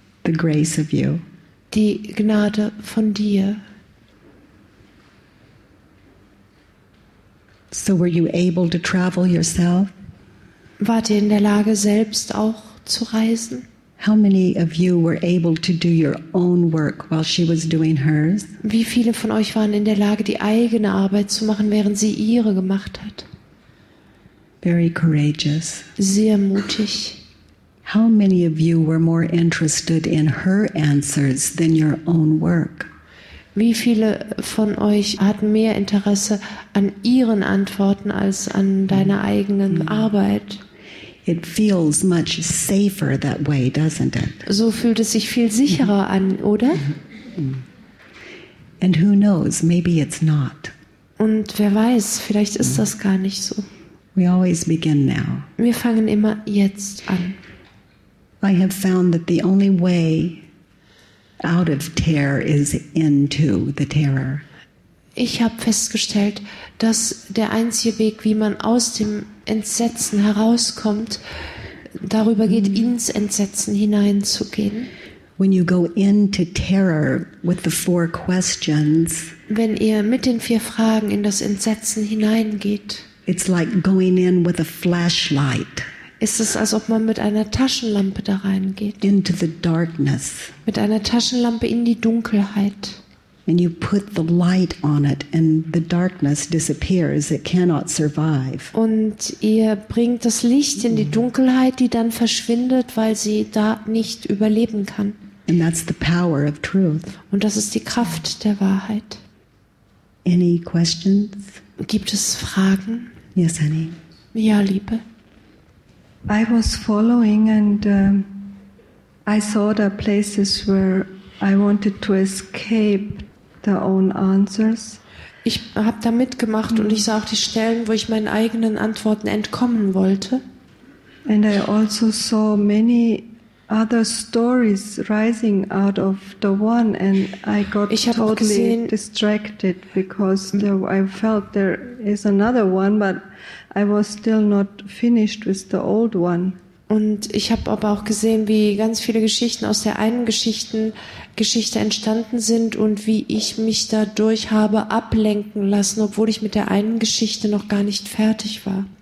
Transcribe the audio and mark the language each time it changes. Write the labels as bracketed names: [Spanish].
[English] The grace of you. [German] Die Gnade von dir. [English] So were you able to travel yourself? [German] Wart ihr in der Lage, selbst auch zu reisen? [English] How many of you were able to do your own work while she was doing hers? [German] Wie viele von euch waren in der Lage, die eigene Arbeit zu machen, während sie ihre gemacht hat? [English] Very courageous. [German] Sehr mutig. [English] How many of you were more interested in her answers than your own work? [German] Wie viele von euch hatten mehr Interesse an ihren Antworten als an deiner eigenen Arbeit? [English] It feels much safer that way, doesn't it? [German] So fühlt es sich viel sicherer an, oder? [English] And who knows, maybe it's not. [German] Und wer weiß, vielleicht ist das gar nicht so. [English] We always begin now. [German] Wir fangen immer jetzt an. [English] I have found that the only way out of terror is into the terror. [German] Ich habe festgestellt, dass der einzige Weg, wie man aus dem Entsetzen herauskommt, darüber geht, ins Entsetzen hineinzugehen. [English] When you go into terror with the four questions, [German] wenn ihr mit den vier Fragen in das Entsetzen hineingeht, [English] it's like going in with a flashlight. [German] Ist es, als ob man mit einer Taschenlampe da reingeht. [English] Into the darkness. [German] Mit einer Taschenlampe in die Dunkelheit. [English] And you put the light on it and the darkness disappears. It cannot survive. [German] Und ihr bringt das Licht in die Dunkelheit, die dann verschwindet, weil sie da nicht überleben kann. [English] And that's the power of truth. [German] Und das ist die Kraft der Wahrheit. [English] Any questions? [German] Gibt es Fragen? [English] Yes, honey. [German] Ja, Liebe. [English] I was following and I saw the places where I wanted to escape the own answers. [German] Ich habe da mitgemacht und ich sah auch die Stellen, wo ich meinen eigenen Antworten entkommen wollte. [English] And I also saw many other stories rising out of the one and I got totally distracted because I felt there is another one, but I was still not finished with the old one. [German] Und ich habe aber auch gesehen, wie ganz viele Geschichten aus der einen Geschichte entstanden sind und wie ich mich dadurch habe ablenken lassen, obwohl ich mit der einen Geschichte noch gar nicht fertig war.